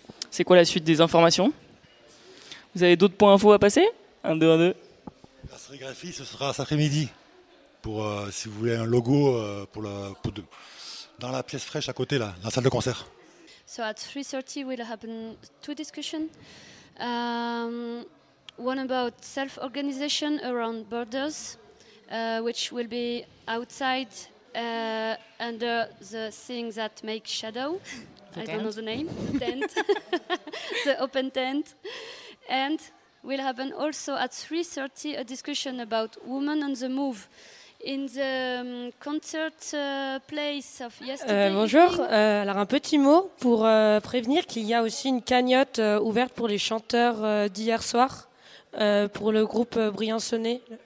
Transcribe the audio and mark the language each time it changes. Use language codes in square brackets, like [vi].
[fr] C'est quoi la suite des informations? Vous avez d'autres points infos à passer? 1, 2, 1, 2. La sérigraphie, ce sera cet après-midi. Pour, si vous voulez, un logo pour la, pour de, dans la pièce fraîche à côté, là, la salle de concert. [en] So at 3:30 will happen two discussion. One about self-organization around borders, which will be outside under the things that make shadow. The I tent. Don't know the name. The tent. The open tent. And will happen also at 3:30 a discussion about women on the move. In the concert place of yesterday. [fr] Bonjour. Alors un petit mot pour prévenir qu'il y a aussi une cagnotte ouverte pour les chanteurs d'hier soir pour le groupe Briançonnais.